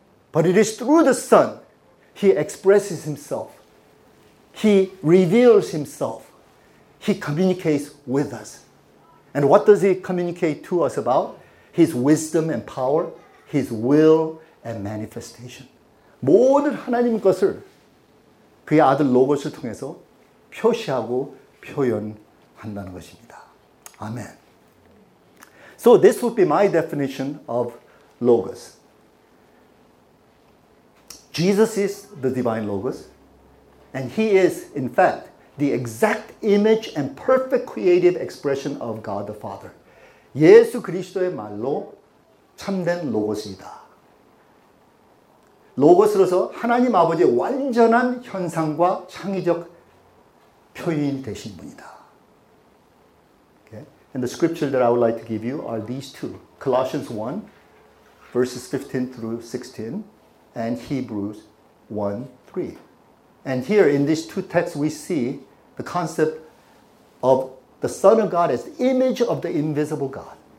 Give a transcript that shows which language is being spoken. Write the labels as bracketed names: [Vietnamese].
[English] But it is through the Son he expresses himself. He reveals himself. He communicates with us. And what does he communicate to us about? His wisdom and power, his will and manifestation. [Korean] 모든 하나님 것을 그의 아들 로고스를 통해서 표시하고 표현한다는 것입니다. [English] Amen. So this would be my definition of Logos. Jesus is the divine Logos, and he is, in fact, the exact image and perfect creative expression of God the Father. [Korean] 예수 그리스도의 말로 참된 로고스이다. 로고스로서 하나님 아버지의 완전한 현상과 창의적 표현이 되신 분이다. [English] And the scripture that I would like to give you are these two. Colossians 1, verses 15 through 16, and Hebrews 1, 3. And here in these two texts, we see the concept of the Son of God as the image of the invisible God.